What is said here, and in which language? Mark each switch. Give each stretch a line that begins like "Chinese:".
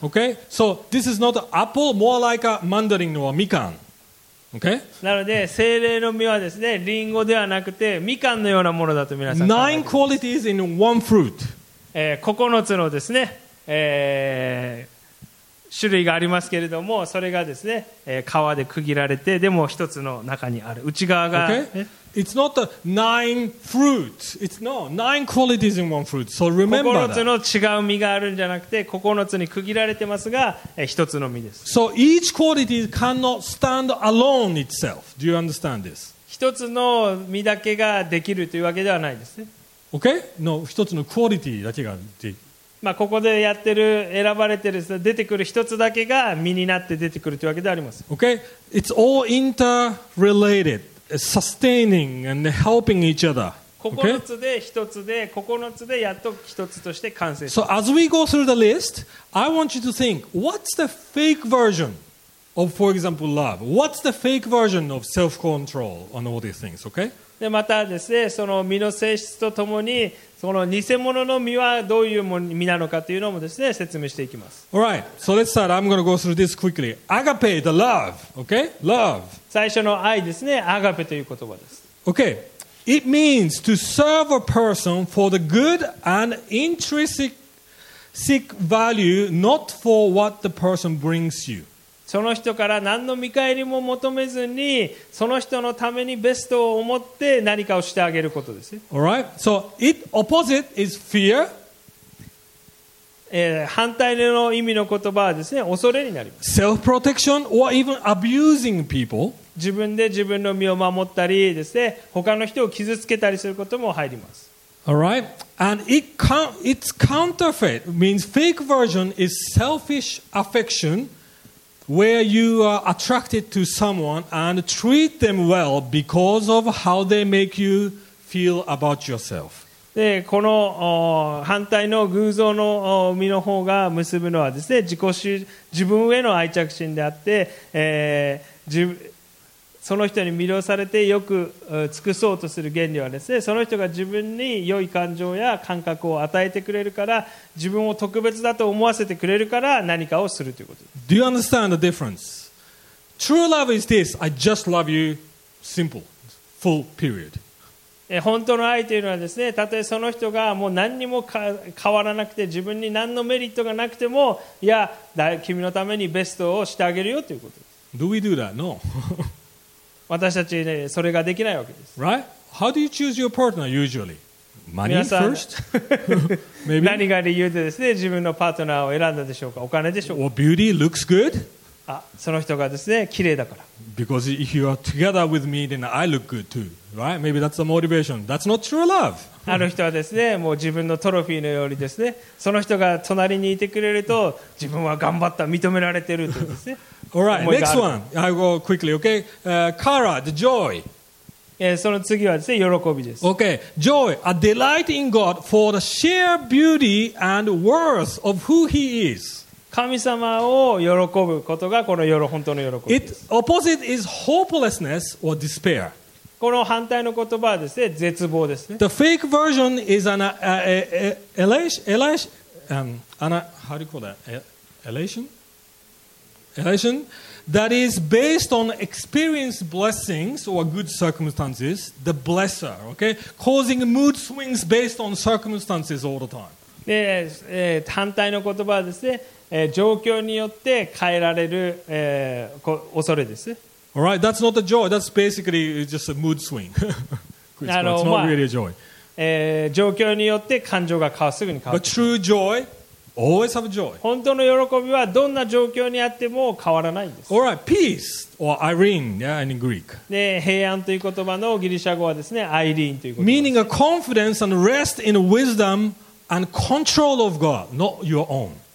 English: Okay, so this is not an apple, more like a mandarin or a mikan. Okay,
Japanese: なので聖霊の実はですね、リンゴではなくてみかんのようなものだと皆さん考えています
English: 。 9 qualities in one fruit.
Japanese: 9つのですね、種類がありますけれども、それがですね、皮で区切られて、でも一つの中にある内側が、
English: okay. It's not the nine fruits. It's no nine qualities in one fruit. So remember that. 9
Japanese: つの違う実があるんじゃなくて、9つに区切られてますが、一つの実です。
English: So each quality cannot stand alone itself. Do you understand this?
Japanese: 一つの実だけができるというわけではないですね。
English: Okay? No,
Japanese: 一つの quality だけが、まあ、ここでやってる選ばれてる出てくる一つだけが実になって出てくるというわけであります。
English: Okay? It's all interrelated, sustaining and helping each other. Okay?
Japanese: 9つで一つで、9つでやっと一つとして完成する。
English: So as we go through the list, I want you to think, what's the fake version of, for example, love? What's the fake version of self-control and all these things? Okay?
Japanese: でまたですね、その実の性質とともに、その偽物の実はどういう実なのかというのもですね、説明していきます。
English: All right, so let's start. I'm going to go through this quickly. Agape, the love, okay? Love.
Japanese: 最初の愛ですね、アガペという言葉です。
English: Okay, it means to serve a person for the good and intrinsic value, not for what the person brings you.
Japanese: その人から何の見返りも求めずに、その人のためにベストを思って何かをしてあげることです。
English: All right. So, it opposite is fear.
Japanese: 反対の意味の言葉はですね、恐れになります。
English: Self-protection or even abusing people.
Japanese: 自分で自分の身を守ったりですね、他の人を傷つけたりすることも入ります。
English: All right. And its counterfeit means fake version is selfish affection. Where you are attracted to someone and treat them well because of how they make you feel about yourself.
Japanese: で、この反対の偶像の実の方が結ぶのはですね、自分への愛着心であって、その人に魅了されてよく尽くそうとする原理はですね、その人が自分に良い感情や感覚を与えてくれるから、自分を特別だと思わせてくれるから何かをするということです。
English: Do you understand the difference? True love is this. I just love you. Simple. full period.
Japanese: 本当の愛というのはですね、たとえその人がもう何にも変わらなくて、自分に何のメリットがなくても、いや、君のためにベストをしてあげるよということです。
English: Do we do that? No.
Japanese: 私たち、ね、それができないわけです。
English: Right? How do you choose your partner usually? Money first? Maybe?
Japanese: 何が理由でですね、自分のパートナーを選んだでしょうか、お金でしょうか。
English: Or beauty looks good?
Japanese: あ、その人がですね、綺麗だから。
English: Because if you are together with me, then I look good too, right? Maybe that's the motivation. That's not true love.
Japanese: あの人はですね、もう自分のトロフィーのようにですね、その人が隣にいてくれると、自分は頑張った、認められてるってですね。
English: All right, next one. I go quickly, okay? Kara, the joy.
Japanese: その次はですね、喜びです。
English: Okay, joy, a delight in God for the sheer beauty and worth of who He is.
Japanese: 神様を喜ぶことがこの本当の喜びです。
English: It opposite is hopelessness or despair.
Japanese: この反対の言葉はですね、絶望ですね。
English: The fake version is an elation, how do you call that? Elation that is based on experienced blessings or good circumstances, the blesser, okay? Causing mood swings based on circumstances all the time.
Japanese: で、反対の言葉はですね、状況によって変えられる、恐れです。
English: All right, that's not a joy. That's basically just a mood swing. It's not really a joy.
Japanese: 状況によって感情がすぐに変わる。
English: But true joy, always have joy.
Japanese: 本当の喜びはどんな状況にあっても変わらないんです。
English: All right, peace or Irene, yeah, in Greek.
Japanese: 平安という言葉のギリシャ語はですね、アイリーンという言葉。
English: Meaning a confidence and rest in wisdom and control of God, not your own.